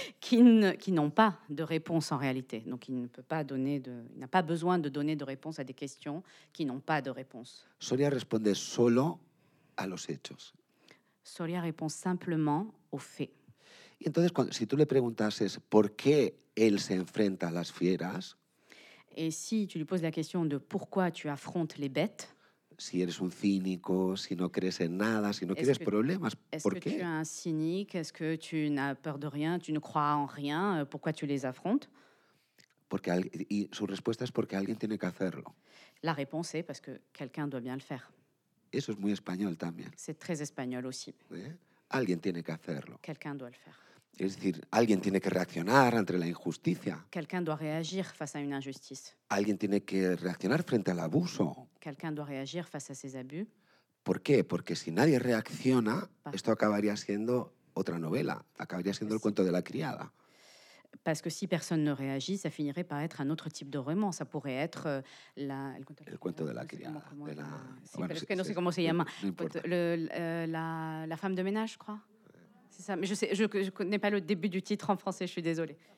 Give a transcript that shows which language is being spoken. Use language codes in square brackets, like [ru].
[fr] Qui n'ont pas de réponse en réalité. Donc il ne peut pas donner de il n'a pas besoin de donner de réponse à des questions qui n'ont pas de réponse. [es] Soria responde solo a los hechos. [fr] Soria répond simplement aux faits. [es] Y entonces cuando si tú le preguntases por qué él se enfrenta a las fieras. [fr] Et si tu lui poses la question de pourquoi tu affrontes les bêtes? [es] Si eres un cínico, si no crees en nada, si no quieres problemas, ¿por qué? [fr] Est-ce que tu es un cynique? Est-ce que tu n'as peur de rien? Tu ne crois en rien? Pourquoi tu les affrontes? [es] Porque y su respuesta es porque alguien tiene que hacerlo. [fr] La réponse est parce que quelqu'un doit bien le faire. [es] Eso es muy español también. [fr] C'est très espagnol aussi. ¿Eh? [es] Alguien tiene que hacerlo. [fr] Quelqu'un doit le faire. [es] Es decir, alguien tiene que reaccionar ante la injusticia. [fr] Quelqu'un doit réagir face à une injustice. [es] Alguien tiene que reaccionar frente al abuso. [fr] Quelqu'un doit réagir face à ces abus. [es] ¿Por qué? Porque si nadie reacciona, esto acabaría siendo otra novela, acabaría siendo el cuento de la criada. [fr] Parce que si personne ne réagit, ça finirait par être un autre type de roman. Ça pourrait être la, [es] el cuento de la criada. No sé cómo se llama. [fr] La femme de ménage, je crois. C'est ça. Mais je ne connais pas le début du titre en français, je suis désolée.